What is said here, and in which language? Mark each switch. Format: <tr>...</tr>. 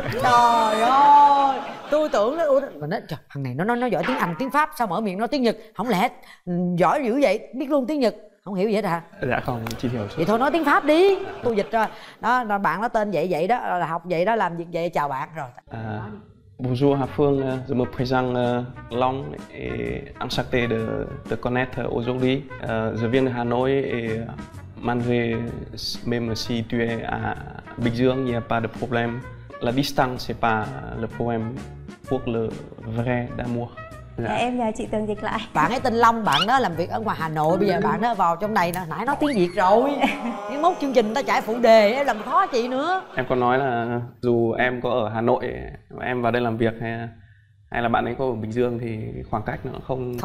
<vi>Trời ơi. Tôi tưởng nó thằng này nó giỏi tiếng Anh, tiếng Pháp, sao mở miệng nó tiếng Nhật? Không lẽ giỏi dữ vậy, biết luôn tiếng Nhật. Không hiểu gì hết hả? Dạ không, chỉ hiểu thôi. Vậy thôi nói tiếng Pháp đi. Tôi dịch rồi. Đó, bạn nó tên vậy vậy đó, là học vậy đó, làm việc vậy, chào bạn rồi.</vi> <fr>Bonjour Hà Phương, je me présente Long et enchanté de te connaître aujourd'hui. Je viens de Hà Nội et malgré même si tu es à Bình Dương, il n'y a pas de problème. La distance c'est pas le problème pour le vrai d'amour.</fr> <vi>Dạ. Em nhờ chị Tường dịch lại. Bạn ấy tên Long, bạn đó làm việc ở ngoài Hà Nội. Bây giờ bạn đó vào trong này nè, nãy nói tiếng Việt rồi. Nếu mốt chương trình ta chạy phụ đề, em làm khó chị nữa. Em có nói là dù em có ở Hà Nội mà em vào đây làm việc hay là bạn ấy có ở Bình Dương thì khoảng cách nó không</vi>